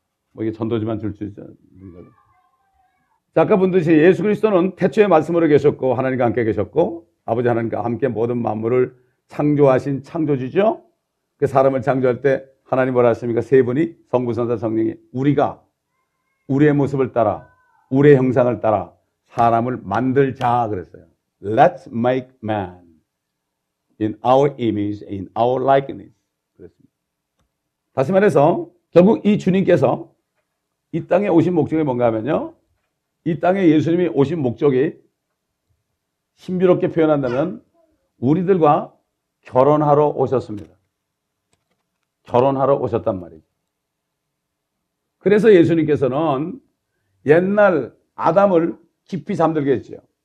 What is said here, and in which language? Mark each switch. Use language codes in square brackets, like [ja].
[ko] 뭐 이게 전도지만 줄 수 있죠, 능력이. 자, 아까 본 듯이 예수 그리스도는 태초에 말씀으로 계셨고, 하나님과 함께 계셨고, 아버지 하나님과 함께 모든 만물을 창조하신 창조주죠? 그 사람을 창조할 때 하나님 뭐라 하십니까? 세 분이 성부, 성자, 성령이 우리가 우리의 모습을 따라, 우리의 형상을 따라 사람을 만들자 그랬어요. [en] Let's make man in our image, in our likeness. [ko] 그랬습니다. 다시 말해서 결국 이 주님께서 이 땅에 오신 목적이 뭔가 하면요. 이 땅에 예수님이 오신 목적이 신비롭게 표현한다면 우리들과 결혼하러 오셨습니다. 결혼하러 오셨단 말이죠. 그래서 예수님께서는 옛날 아담을 깊이 잠들게 했죠.